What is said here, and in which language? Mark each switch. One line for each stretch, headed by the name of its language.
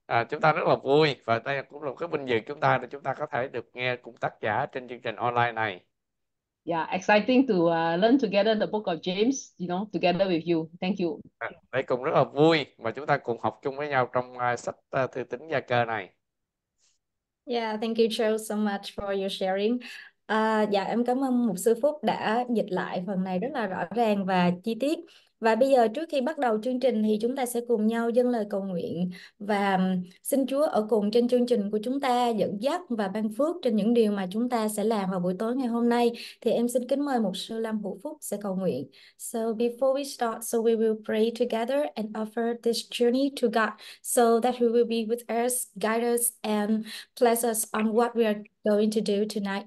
Vietnamese: Chúng ta rất là vui và đây cũng là một cái vinh dự chúng ta để chúng ta có thể được nghe cùng tác giả trên chương trình online này.
English: Exciting to learn together the book of James, you know, together with you. Thank you.
Vietnamese: Đây cũng rất là vui mà chúng ta cùng học chung với nhau trong sách Thư Tín Gia Cơ này.
English: Yeah, thank you Joe so much for your sharing.
Vietnamese: Em cảm ơn mục sư Phúc đã dịch lại phần này rất là rõ ràng và chi tiết. Và bây giờ trước khi bắt đầu chương trình thì chúng ta sẽ cùng nhau dâng lời cầu nguyện và xin Chúa ở cùng trên chương trình của chúng ta, dẫn dắt và ban phước trên những điều mà chúng ta sẽ làm vào buổi tối ngày hôm nay. Thì em xin kính mời mục sư Lâm Hữu Phúc sẽ cầu nguyện.
English: So before we start, so we will pray together and offer this journey to God so that he will be with us, guide us and bless us on what we are going to do tonight.